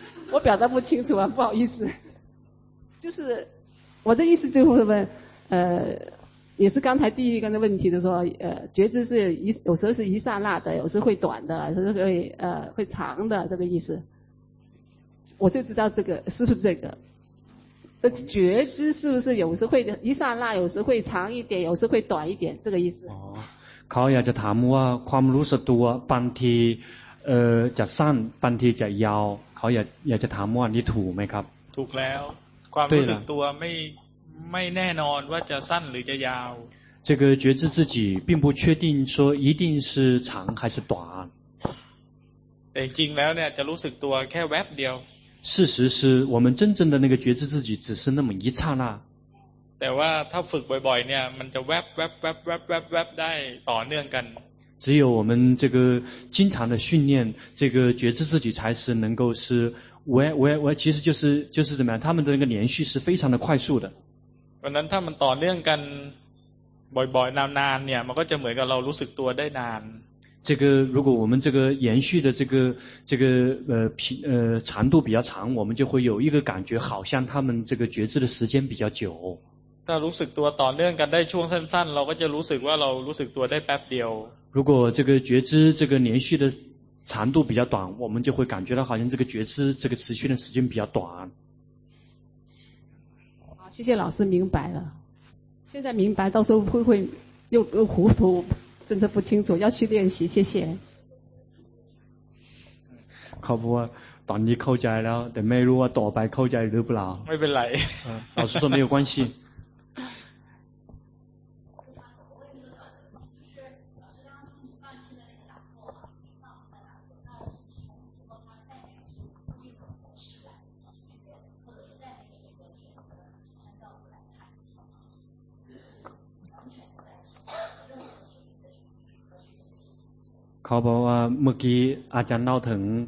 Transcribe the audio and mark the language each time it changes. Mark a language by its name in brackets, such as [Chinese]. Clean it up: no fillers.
[Chinese] 我表达不清楚啊不好意思就是我这意思就是问也是刚才第一个的问题的时候觉知是有时候是一刹那的有时候会短的有时候会长的这个意思我就知道这个是不是这个觉知是不是有时会一刹那有时会长一点有时会短一点这个意思 [Thai] เขาอยากจะถามว่าความรู้สึกตัวบางทีจะสั้นบางทีจะยาวเขาอยากจะถามว่านี่ถูกไหมครับ ถูกแล้วความรู้สึกตัวไม่แน่นอนว่าจะสั้นหรือจะยาว [Chinese] 这个觉知自己并不确定说一定是长还是短 [Thai] แต่จริงแล้วเนี่ยจะรู้สึกตัวแค่แวบเดียว [Chinese] 事实是我们真正的那个觉知自己只是那么一刹那 [Thai] แต่ว่าถ้าฝึกบ่อยๆเนี่ยมันจะแวบแวบแวบแวบแวบแวบได้ต่อเนื่องกัน [Chinese] 只有我们这个经常的训练这个觉知自己才是能够是我其实就是怎么样他们的那个连续是非常的快速的 [Thai] เพราะนั้นถ้ามันต่อเนื่องกันบ่อยๆนานๆเนี่ยมันก็จะเหมือนกับเรารู้สึกตัวได้นาน [Chinese] 这个如果我们这个延续的这个长度比较长我们就会有一个感觉好像他们这个觉知的时间比较久 [Thai] ถ้ารู้สึกตัวต่อเนื่องกันได้ช่วงสั้นๆเราก็จะรู้สึกว่าเรารู้สึกตัวได้แป๊บเดียว [Chinese] 如果这个觉知这个连续的长度比较短我们就会感觉到好像这个觉知这个持续的时间比较短谢谢老师明白了现在明白到时候会又糊涂真的不清楚要去练习谢谢靠谱啊 [Thai] ตอนนี้เข้าใจแล้วแต่ไม่รู้ว่าต่อไปเข้าใจหรือเปล่า ไม่เป็นไร [Chinese] 老师说没有关系 [Thai] เขาบอกว่าเมื่อกี้อาจารย์เล่าถึง